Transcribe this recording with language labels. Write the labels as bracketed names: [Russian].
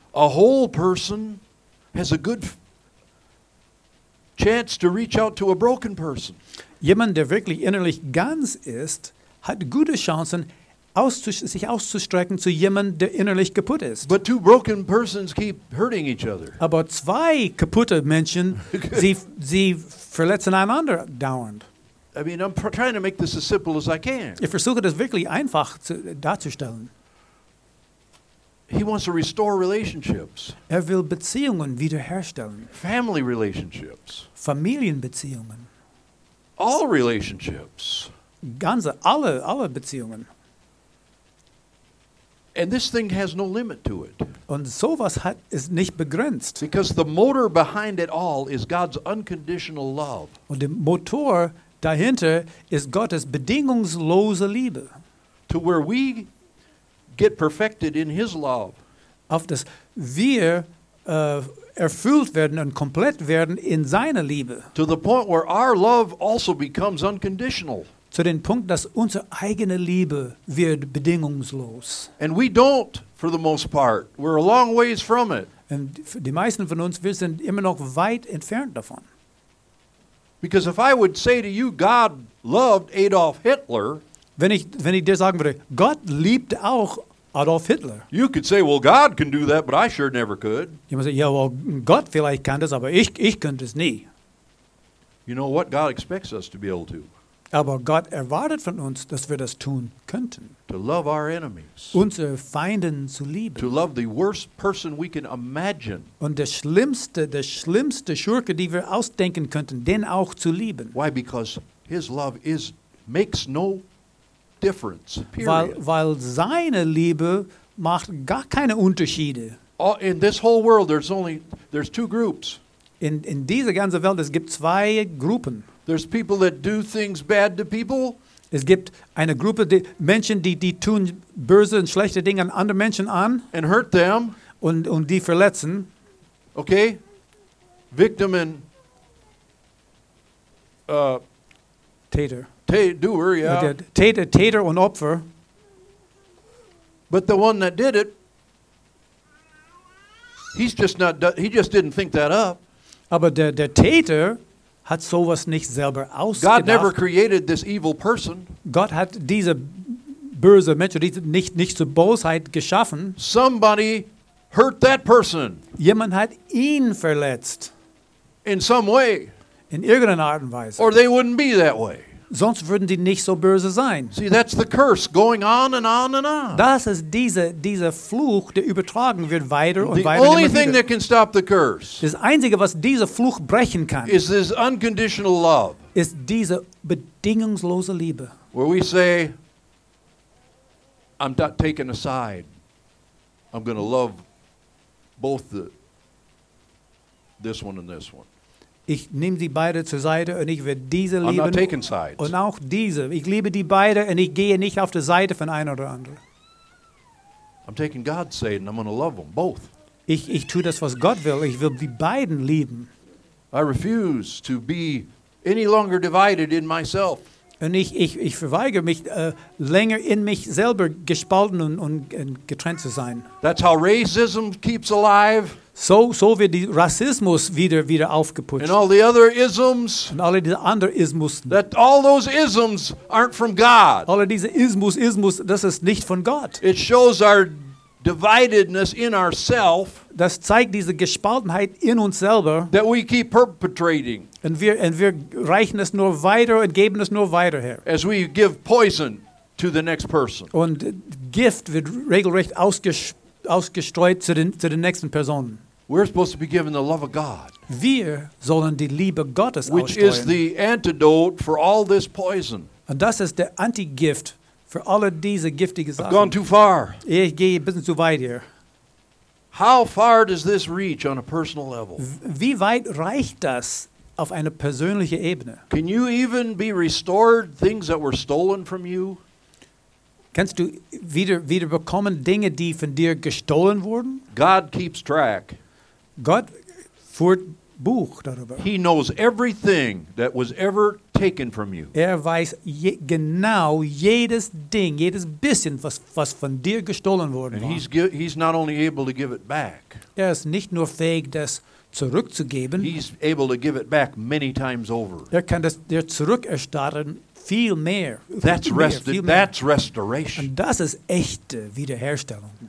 [English] A whole person has a good chance to reach out to a broken person. [German] Jemand, der wirklich innerlich ganz ist, hat gute Chancen, sich auszustrecken zu jemandem, der innerlich kaputt ist. [English] But two broken persons keep hurting each other. [German] Aber zwei kaputte Menschen, sie verletzen einander dauernd. [English] I mean, I'm trying to make this as simple as I can. [German] Ich versuche das wirklich einfach darzustellen. [English] He wants to restore relationships. [German] Er will Beziehungen wiederherstellen. [English] Family relationships. [German] Familienbeziehungen. [English] All relationships. [German] Ganze, alle Beziehungen. [English] And this thing has no limit to it. [German] Und sowas ist nicht begrenzt. [English] Because the motor behind it all is God's unconditional love. [German] Und der Motor dahinter ist Gottes bedingungslose Liebe. [English] To where we get perfected in his love. [German] Auf dass wir erfüllt werden und komplett werden in seiner Liebe. [English] To the point where our love also becomes unconditional. [German] Zu dem Punkt, dass unsere eigene Liebe wird bedingungslos. [English] And we don't, for the most part. We're a long ways from it. [German] Und die meisten von uns, wir sind immer noch weit entfernt davon. [English] Because if I would say to you, God loved Adolf Hitler. [German] Wenn ich dir sagen würde, Gott liebte auch Adolf Hitler. [English] You could say, well, God can do that, but I sure never could. [German] Du musst sagen, ja, well, Gott vielleicht kann das, aber ich könnte es nie. [English] You know what God expects us to be able to. [German] Aber Gott erwartet von uns, dass wir das tun könnten. [English] To love our enemies. [German] Unsere Feinden zu lieben. [English] To love the worst person we can imagine. [German] Und der schlimmste Schurke, die wir ausdenken könnten, den auch zu lieben. [English] Why? Because his love makes no difference. Period. [German] Weil seine Liebe macht gar keine Unterschiede. [English] All, in this whole world there's two groups. [German] In dieser ganzen Welt es gibt zwei Gruppen. [English] There's people that do things bad to people. [German] Es gibt eine Gruppe die Menschen, die tun böse und schlechte Dinge an andere Menschen an. [English] And hurt them. [German] Und die verletzen. [English] Okay. Victim and [German] Täter. [English] Doer, yeah. Okay. [German] Täter und Opfer. [English] But the one that did it, he just didn't think that up. [German] Aber der Täter hat sowas nicht selber ausgedacht. [English] God never created this evil person. [German] Gott hat diese böse Menschen, diese nicht zur Bosheit geschaffen. [English] Somebody hurt that person. [German] Jemand hat ihn verletzt. [English] In some way. [German] In irgendeiner Art und Weise. [English] Or they wouldn't be that way. [German] Sonst würden die nicht so böse sein. [English] See, that's the curse going on and on and on. [German] Das ist dieser Fluch, der übertragen wird weiter und [English] the [German] weiter. [English] The only thing that can stop the curse. [German] Das Einzige, was dieser Fluch brechen kann. [English] Is this unconditional love. [German] Ist diese bedingungslose Liebe. [English] Where we say, I'm not taking a side. I'm going to love both this one and this one. [German] Ich nehme sie beide zur Seite und ich werde diese lieben. [English] I'm not taking sides. [German] Und auch diese. Ich liebe die beide und ich gehe nicht auf die Seite von einer oder anderen. [English] I'm taking God's side and I'm going to love them both. [German] Ich tue das, was Gott will. Ich will die beiden lieben. [English] I refuse to be any longer divided in myself. [German] Und ich verweigere mich, länger in mich selber gespalten und getrennt zu sein. [English] That's how racism keeps alive. [German] So wird die Rassismus wieder aufgeputscht. [English] And all the other isms. [German] Und alle diese anderen Ismus. [English] That all those isms aren't from God. [German] Alle diese Ismus, das ist nicht von Gott. [English] It shows our dividedness in ourself. [German] Das zeigt diese Gespaltenheit in uns selber. [English] That we keep perpetrating. [German] Und wir reichen es nur weiter und geben es nur weiter her. [English] As we give poison to the next person. [German] Und Gift wird regelrecht ausgestreut zu den nächsten Personen. [English] We're supposed to be given the love of God. [German] Wir sollen die Liebe Gottes [English] which Which is the antidote for all this poison. [German] Und das ist der Antigift für alle diese giftigen Sachen. [English] I've gone too far. [German] Ich gehe ein bisschen zu weit hier. [English] How far does this reach on a personal level? [German] Wie weit reicht das auf eine persönliche Ebene? [English] Can you even be restored things that were stolen from you? [German] Kannst du wieder bekommen Dinge, die von dir gestohlen wurden? [English] God keeps track. [German] Gott führt Buch darüber. [English] He knows everything that was ever taken from you. [German] Er weiß genau jedes Ding, jedes bisschen, was von dir gestohlen worden war. [English] He's not only able to give it back. [German] Er ist nicht nur fähig, das zurückzugeben. [English] He's able to give it back many times over. [German] Er kann das dir zurückerstatten. Viel mehr. [English] That's restoration. [German] Und das ist echte Wiederherstellung.